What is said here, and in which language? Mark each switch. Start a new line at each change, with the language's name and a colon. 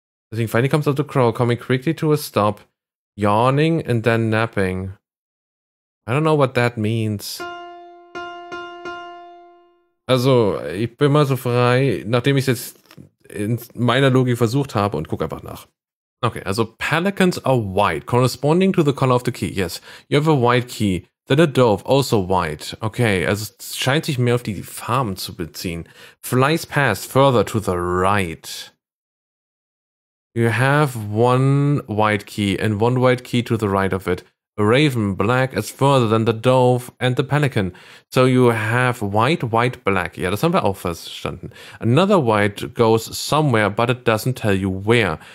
English: Deswegen, finally comes out to crawl, coming quickly to a stop, yawning and then napping. I don't know what that means.
German: Also, ich bin mal so frei, nachdem ich es jetzt in meiner Logik versucht habe und guck einfach nach.
English: Okay, also Pelicans are white, corresponding to the color of the key. Yes, you have a white key. Then a dove, also white.
German: Okay, also es scheint sich mehr auf die Farben zu beziehen.
English: Flies past, further to the right. You have one white key and one white key to the right of it. A raven, black, is further than the dove and the pelican. So you have white, white, black.
German: Ja, das haben wir auch verstanden.
English: Another white goes somewhere, but it doesn't tell you where.